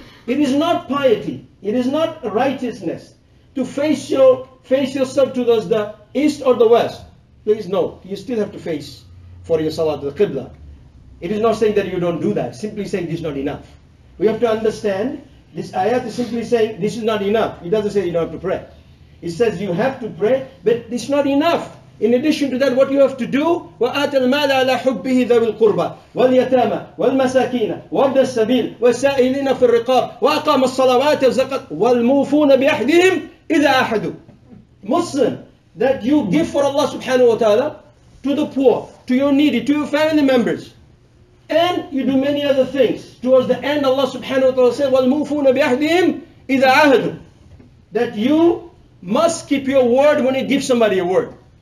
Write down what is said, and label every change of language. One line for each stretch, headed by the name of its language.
English: It is not piety, it is not righteousness to face yourself towards the east or the west. Please no, you still have to face for your salat al qibla. It is not saying that you don't do that, simply saying this is not enough. We have to understand, this ayat is simply saying, this is not enough. It doesn't say you don't have to pray. It says you have to pray, but it's not enough. In addition to that, what you have to do,
Arabic: وَآتَ الْمَالَ عَلَىٰ حُبِّهِ ذَوِ الْقُرْبَى وَالْيَتَامَ وَالْمَسَاكِينَ وَابْنَ السَّبِيلِ وَالسَّائِلِينَ فِي الرِّقَابِ وَأَقَامَ الصَّلَوَاتِ وَالزَّكَاةِ وَالْمُوفُونَ بِأَحْدِهِمْ إِذَا أَحَدُوا.
English: Muslim, that you give for Allah subhanahu wa ta'ala, to the poor, to your needy, to your family members, and you do many other things. Towards the end, Allah subhanahu wa ta'ala said,
Arabic: وَالْمُوفُونَ بِأَهْدِهِمْ إِذَا عَهَدُوا.
English: That you must keep your word when you give somebody a word.